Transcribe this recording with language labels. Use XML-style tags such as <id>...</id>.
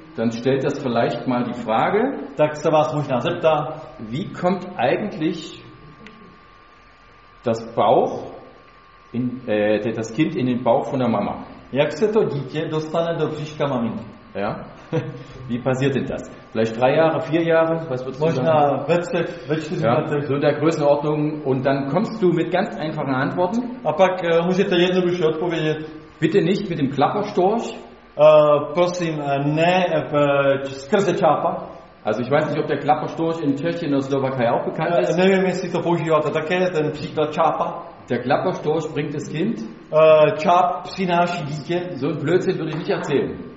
<de>dann stellt das vielleicht mal die Frage,</de> <cs>tak se vás možná zeptá,</cs> <de>wie kommt eigentlich das Bauch in das Kind in den Bauch von der Mama?</de> <cs>Jak se to dítě dostane do břiška maminky?</cs> <de>Ja? Wie passiert denn das? Vielleicht 3 Jahre, 4 Jahre, was wird</de> <cs>možná ve</cs> <de>4 Jahre, so in der Größenordnung, und dann kommst du mit ganz einfachen Antworten.</de> <cs>A pak můžete jednoduše odpovědět.</cs> <de>Bitte nicht mit dem Klapperstorch.</de> <cs>Prosím, ne skrze čápa.</cs> <de>Also ich weiß nicht, ob der Klapperstorch in Tschechien oder Slowakei auch bekannt ist.</de> <cs>Nevím, jestli to používáte také, ten příklad čápa.</cs> <de>Der Klapperstorch bringt das Kind.</de> <cs>Čáp přináší dítě.</cs> <de>So ein Blödsinn würde ich nicht erzählen.</de>